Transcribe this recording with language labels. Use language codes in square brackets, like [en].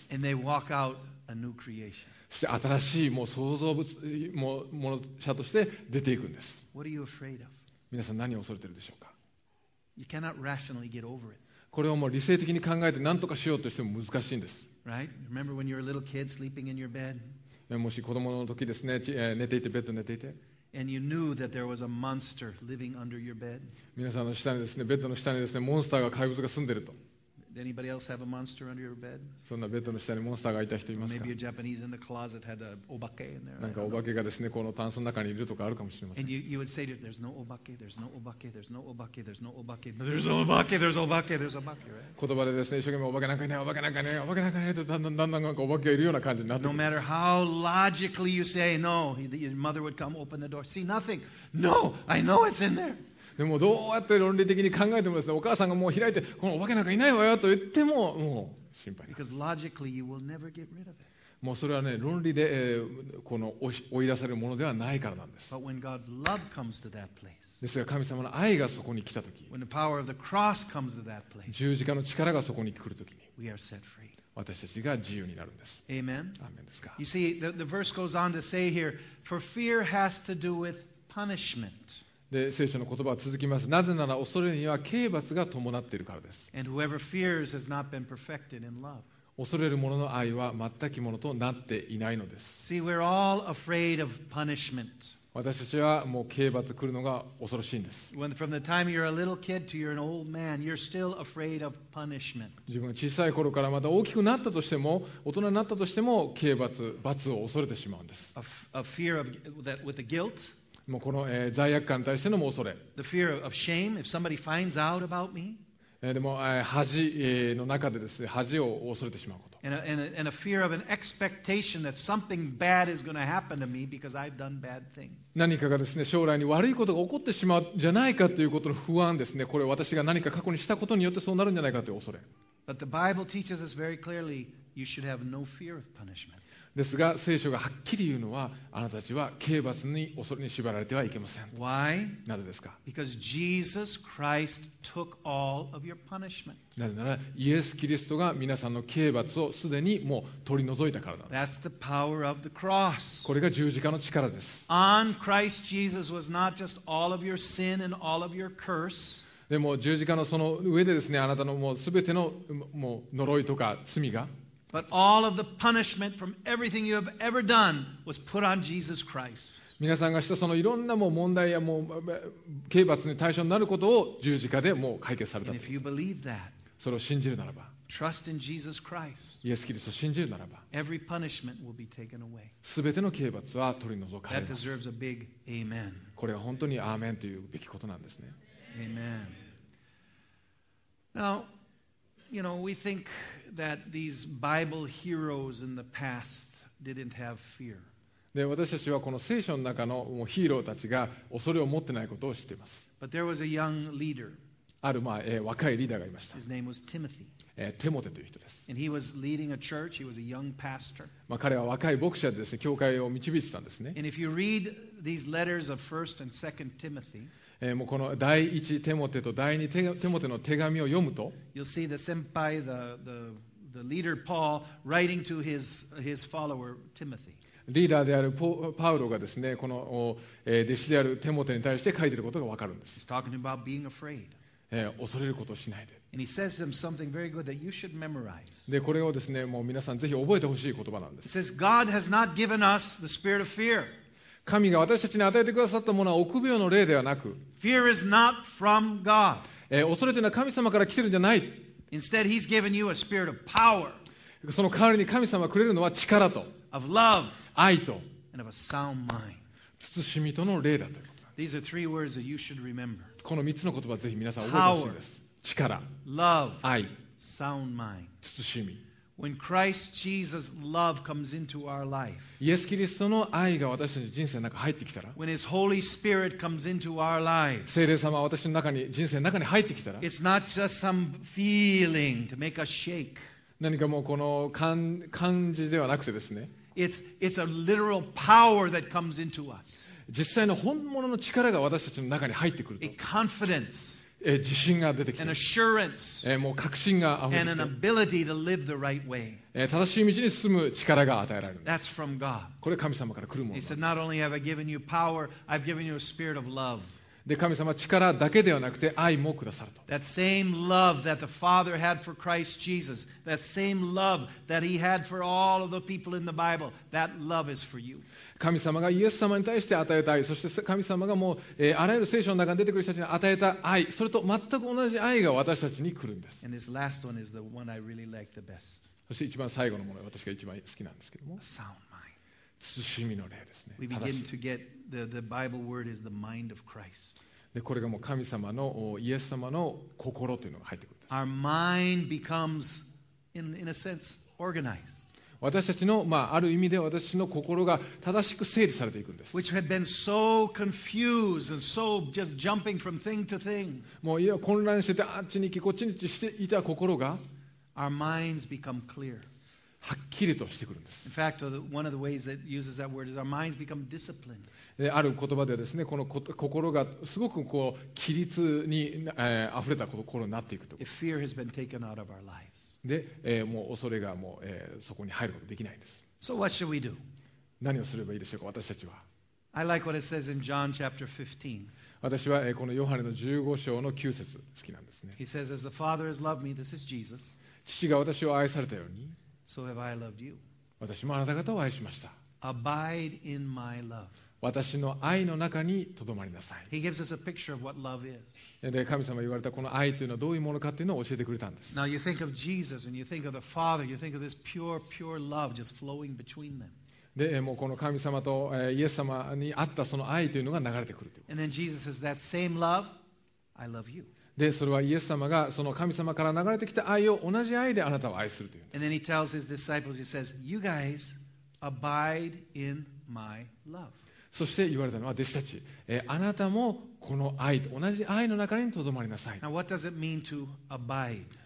[en] And they walk out a new creation. [ja] そして新しいもう創造物、もうもの者として出ていくんです。 [en] What are you afraid of? [ja] 皆さん何を恐れているでしょうか。 [en] You cannot rationally get over it. [ja] これをもう理性的に考えて何とかしようとしても難しいんです。 [en] Right? Remember when you were a little kid sleeping in your bed? [ja] もし子供の時ですね、寝ていてベッドに寝ていて。 [en] And you knew that there was a monster living under your bed. [ja] 皆さんの下にですね、ベッドの下にですね、モンスターが怪物が住んでると。 [en] Anybody else have a monster under your bed? [ja] そんなベッドの下にモンスターがいた人いますか? [en] Maybe a Japanese in the closet had a obake in there. [ja] なんかお化けがですね、このタンスの中にいるとかあるかもしれません。 [en] And you would say, there's no obake, there's no obake, there's no obake, there's no obake, there's no obake, there's obake, there's obake, right? [ja] 言葉でですね、一生懸命お化けなんかいない、お化けなんかいない、お化けなんかいないと、だんだんだんだんなんかお化けがいるような感じになって。 [en] No matter how logically you say no, your mother would come open the door, see nothing. No, I know it's in there. [ja] でもどうやって論理的に考えてもですね、お母さんがもう開いてこのお化けなんかいないわよと言ってももう心配な。 [en] Logically, you will never get rid of it. [ja] もうそれはね、論理で、この追い出されるものではないからなんです。 [en] But when God's love comes to that place, [ja] ですが神様の愛がそこに来たとき、 [en] when the power of the cross comes to that place, [ja] 十字架の力がそこに来るときに、 [en] we are set free. [ja] 私たちが自由になるんです。 [en] Amen. [ja] アーメンですか。 [en] You see, the verse goes on to say here, for fear has to do with punishment. [ja] で聖書の言葉は続きます。なぜなら恐れには刑罰が伴っているからです。 [en] And whoever fears has not been perfected in love. [ja] 恐れる者の愛は全くものとなっていないのです。 [en] See, we're all afraid of punishment. [ja] 私たちはもう刑罰来るのが恐ろしいんです。 [en] When from the time you're a little kid to you're an old man, you're still afraid of punishment. [ja] 自分が小さい頃からまた大きくなったとしても、大人になったとしても刑罰、罰を恐れてしまうんです。 [en] A fear of that with the guilt. [ja] もうこの、罪悪感に対しての恐れ。 [en] The fear of shame, if somebody finds out about me. [ja] でも、恥の中でですね、恥を恐れてしまうこと。 [en] And a fear of an expectation that something bad is going to happen to me because I've done bad things. [ja] 何かがですね、将来に悪いことが起こってしまうんじゃないかということの不安ですね。これ私が何か過去にしたことによってそうなるんじゃないかという恐れ。 [en] But the Bible teaches us very clearly, you should have no fear of punishment. [ja] ですが聖書がはっきり言うのはあなたたちは刑罰に恐れに縛られてはいけません。 [en] Why? [ja] なぜですか? [en] Because Jesus Christ took all of your punishment. [ja] なぜならイエス・キリストが皆さんの刑罰をすでにもう取り除いたからなんです。 [en] That's the power of the cross. [ja] これが十字架の力です。 [en] On Christ Jesus was not just all of your sin and all of your curse. [ja] でも十字架のその上でですね、あなたのもう全てのもう呪いとか罪が。 [en] But all of the punishment from everything you have ever done was put on Jesus Christ. [ja] 皆さんがしたそのいろんなもう問題やもう刑罰に対象になることを十字架でもう解決された。 [en] And if you believe that, [ja] それを信じるならば、 [en] trust in Jesus Christ, [ja] イエス・キリストを信じるならば、 [en] every punishment will be taken away. [ja] 全ての刑罰は取り除かれます。 [en] That deserves a big amen. [ja] これは本当にアーメンというべきことなんですね。 [en] Amen. Now, you know, we think that these Bible heroes in the past didn't have fear. [ja] で、私たちはこの聖書の中のもうヒーローたちが恐れを持ってないことを知っています。 [en] But there was a young leader. [ja] ある、まあ若いリーダーがいました。 [en] His name was Timothy. [ja] テモテという人です。 [en] And he was leading a church. He was a young pastor. [ja] まあ彼は若い牧者でですね、教会を導いてたんですね。 [en] And if you read these letters of 1st and 2nd Timothy, [ja] もうこの第一テモテと第二テモテの手紙を読むと、 [en] You'll see the senpai, the leader Paul, writing to his follower Timothy. [ja] リーダーであるパウロがですね、この弟子であるテモテに対して書いていることがわかるんです。 [en] He's talking about being afraid. [ja] 恐れることをしないで。 [en] And he says to him something very good that you should memorize. [ja] で、これをですね、もう皆さんぜひ覚えてほしい言葉なんです。 [en] He says, God has not given us the spirit of fear. [ja] 神が私たちに与えてくださったものは臆病の霊ではなく、 [en] Fear is not from God. [ja] 恐れというのは神様から来ているんじゃない。 [en] Instead, he's given you a spirit of power. [ja] その代わりに神様がくれるのは力と、 [en] of love, [ja] 愛と、 [en] and of a sound mind. [ja] 慎みとの霊だということ。 [en] These are three words that you should remember. [ja] この3つの言葉をぜひ皆さん覚えてほしいです。力、 [en] love, [ja] 愛、 [en] sound mind. [ja] 慎み。 [en] When Christ Jesus' love comes into our life, [ja] イエス・キリストの愛が私たちの人生の中に入ってきたら、 [en] when His Holy Spirit comes into our lives, [ja] 聖霊様が私の中に人生の中に入ってきたら、 [en] it's not just some feeling to make us shake. [ja] 何かもうこの感じではなくてですね、 [en] it's a literal power that comes into us. [ja] 実際の本物の力が私たちの中に入ってくると、 [en] a confidence. [ja] 自信が出てきて、 [en] an assurance, [ja] もう確信が溢れてきて、 [en] and an ability to live the right way. [ja] 正しい道に進む力が与えられる。 [en] That's from God. [ja] これは神様から来るものです。 [en] He said, "Not only have I given you power, I've given you a spirit of love." [ja] で、神様は力だけではなくて愛もくださると。 [en] That same love that the Father had for Christ Jesus, that same love that He had for all of the people in the Bible, that love is for you. [ja] 神様がイエス様に対して与えた愛、そして神様がもう、あらゆる聖書の中に出てくる人たちに与えた愛、それと全く同じ愛が私たちに来るんです。 [en] And this last one is the one I really like the best. [ja] そして一番最後のもの、私が一番好きなんですけども、 [en] A sound mind. [ja] 慎みの霊ですね。 [en] We begin to get the Bible word is the mind of Christ. [ja] で、これがもう神様の、イエス様の心というのが入ってくるんです。 [en] Our mind becomes, in a sense, organized. [ja] 私たちの、まあ、ある意味で私の心が正しく整理されていくんです。 [en] Which had been so confused and so just jumping from thing to thing. [ja] もういや混乱しててあっちに行きこっちに行きしていた心が、 [en] Our minds become clear. [ja] はっきりとしてくるんです。 [en] In fact, one of the ways that uses that word is our minds become disciplined. [ja] ある言葉ではですね、この心がすごくこう規律に、溢れた心になっていくと。 [en] If fear has been taken out of our life. [ja] で、もう恐れがもう、そこに入ることができないんです。 [en] So what should we do? [ja] 何をすればいいでしょうか、私たちは。 [en] I like what it says in John chapter 15. [ja] 私は、このヨハネの15章の9節好きなんですね。 [en] He says, as the Father has loved me, this is Jesus. [ja] 父が私を愛されたように、 [en] So have I loved you. [ja] 私もあなた方を愛しました。 [en] Abide in my love. [ja] 私の愛の中にとどまりなさい。 [en] He gives us a picture of what love is. [ja] で、神様が言われたこの愛というのはどういうものかというのを教えてくれたんです。 [en] Now you think of Jesus and you think of the Father, you think of this pure, pure love just flowing between them. [ja] で、もうこの神様とイエス様にあったその愛というのが流れてくるということ。 [en] And then Jesus says, that same love, I love you. [ja] で、それはイエス様がその神様から流れてきた愛を同じ愛であなたを愛するという。 [en] And then he tells his disciples, he says, you guys abide in my love. [ja] そして言われたのは弟子たち、あなたもこの愛と同じ愛の中にとどまりなさい。 [en] Now, what does it mean to abide?